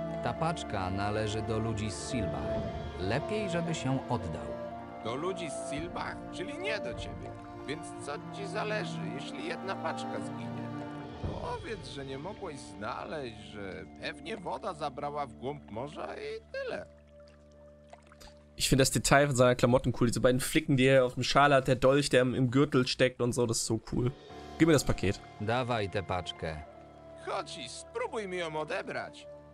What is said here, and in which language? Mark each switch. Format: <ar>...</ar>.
<pl>Ta paczka należy do ludzi z Silbach. Lepiej, żebyś ją oddał. Do ludzi z Silbach? Czyli nie do ciebie. Więc co ci zależy, jeśli jedna paczka zginie? Powiedz, że nie mogłeś znaleźć, że pewnie woda zabrała w głąb morza i tyle.</pl> <de>Ich finde das Detail von seiner Klamotten cool. Diese beiden Flicken, die er auf dem Schal hat, der Dolch, der im Gürtel steckt und so, das ist so cool. Gib mir das Paket.</de> <pl>Dawaj tę paczkę. Chodź, spróbuj mi ją odebrać.</pl>